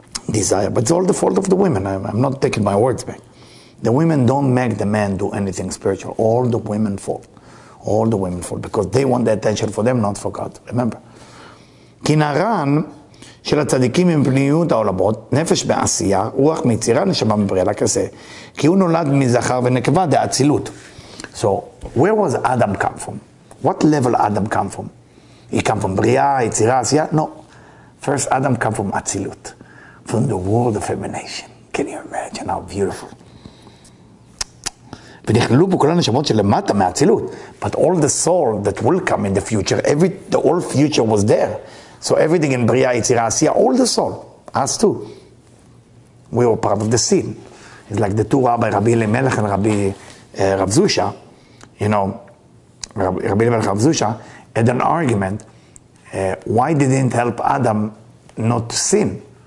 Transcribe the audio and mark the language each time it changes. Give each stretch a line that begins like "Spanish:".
English: Desire. But it's all the fault of the women. I'm not taking my words back. The women don't make the man do anything spiritual. All the women fault. All the women fault. Because they want the attention for them, not for God. Remember. Kinaran.
Hebrew: של הצדיקים עם פניות העולמות, נפש בעשייה, רוח מיצירה, נשמה מבריאה, לכסה. כי הוא נולד מזכר ונקבה, דאצילות.
English: So, where was Adam come from? What level Adam come from? He come from בריאה, יצירה, עשייה? No. First, Adam come from אצילות. From the world of emanation. Can you imagine how beautiful?
Hebrew: ונכללו פה כל הנשמות שלמטה מהאצילות.
English: But all the soul that will come in the future, the whole future was there. So everything in Bria, Yitzira, Asiya, all the soul, us too. We were part of the seed. It's like the two rabbis, Rabbi Elimelech and Rabbi Rav Zusha, you know, Rabbi Elimelech and Rav Zusha, had an argument, why didn't help Adam not to sin?